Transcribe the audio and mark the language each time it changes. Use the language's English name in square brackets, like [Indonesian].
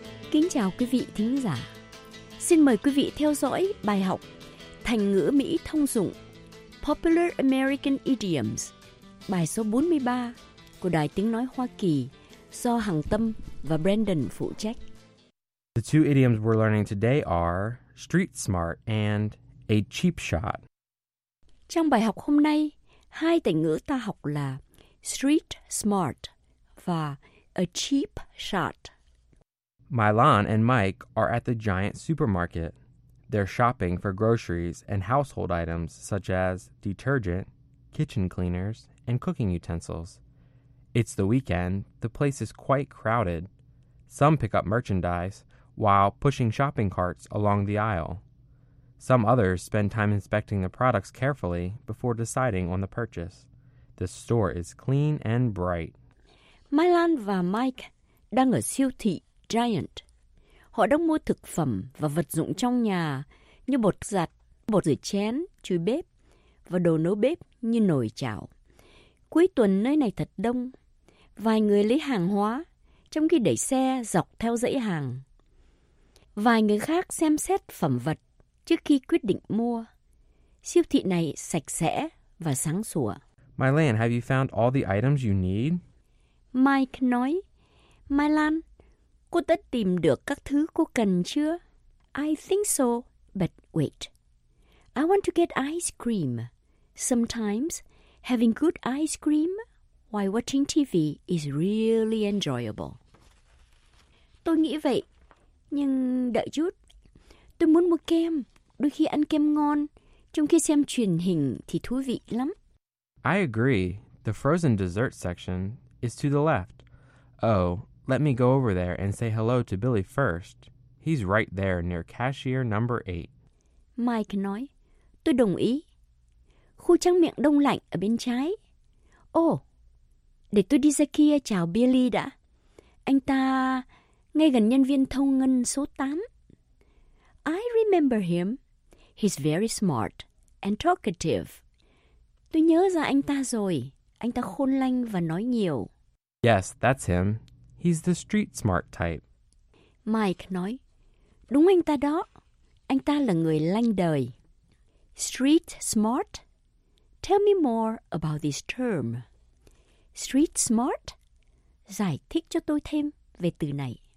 [Vietnamese] Kính chào quý vị thính giả. Xin mời quý vị theo dõi bài học thành ngữ Mỹ thông dụng [English] Popular American Idioms, [Vietnamese] bài số 43 của Đài Tiếng Nói Hoa Kỳ do Hằng Tâm và Brandon phụ trách. [English] The two idioms we're learning today are street smart and a cheap shot. [Vietnamese] Trong bài học hôm nay, hai thành ngữ ta học là street smart và a cheap shot. [English] Mylon and Mike are at the giant supermarket. They're shopping for groceries and household items such as detergent, kitchen cleaners, and cooking utensils. It's the weekend. The place is quite crowded. Some pick up merchandise while pushing shopping carts along the aisle. Some others spend time inspecting the products carefully before deciding on the purchase. The store is clean and bright. [Vietnamese] Mylon và Mike đang ở siêu thị Giant. Họ đang mua thực phẩm và vật dụng trong nhà như bột giặt, bột rửa chén, chùi bếp và đồ nấu bếp như nồi chảo. Cuối tuần nơi này thật đông. Vài người lấy hàng hóa trong khi đẩy xe dọc theo dãy hàng. Vài người khác xem xét phẩm vật trước khi quyết định mua. Siêu thị này sạch sẽ và sáng sủa. [English] Mylan, have you found all the items you need? [Vietnamese] Mike nói, Mylan, cô đã tìm được các thứ cô cần chưa? [English] I think so, but wait. I want to get ice cream. Sometimes, having good ice cream while watching TV is really enjoyable. [Vietnamese] Tôi nghĩ vậy, nhưng đợi chút. Tôi muốn mua kem. Đôi khi ăn kem ngon, trong khi xem truyền hình thì thú vị lắm. [English] I agree. The frozen dessert section is to the left. Oh, let me go over there and say hello to Billy first. He's right there near cashier number 8. [Vietnamese] Mike nói, tôi đồng ý. Khu tráng miệng đông lạnh ở bên trái. Oh, để tôi đi ra kia chào Billy đã. Anh ta ngay gần nhân viên thông ngân số 8. [English] I remember him. He's very smart and talkative. [Vietnamese] Tôi nhớ ra anh ta rồi. Anh ta khôn lanh và nói nhiều. [English] Yes, that's him. He's the street smart type. [Vietnamese] Mike nói. Đúng anh ta đó. Anh ta là người lanh đời. [English] Street smart? Tell me more about this term. Street smart? [Vietnamese] Giải thích cho tôi thêm về từ này.